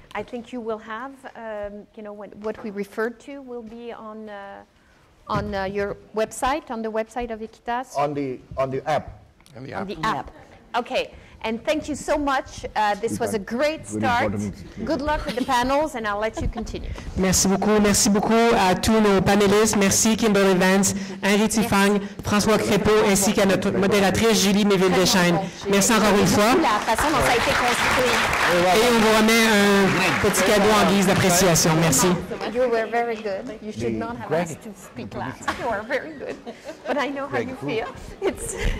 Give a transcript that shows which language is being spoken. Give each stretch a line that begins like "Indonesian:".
English: I think you will have, what we referred to will be on your website, on the website of Equitas. On the app. On the app. Okay. And thank you so much. This was a great start. Good luck with the panels, and I'll let you continue.
French: Merci beaucoup à tous nos panélistes. Merci Kimberly Vance, Henri Tifang, François Crépeau, ainsi qu'à notre modératrice Julie Méville-Deschaines. Merci encore une fois. La façon dont ça a été construit. Et on vous remet un petit cadeau en guise d'appréciation. Merci.
English: You were very good. You should not have asked to speak last. You are very good. But I know how you feel. It's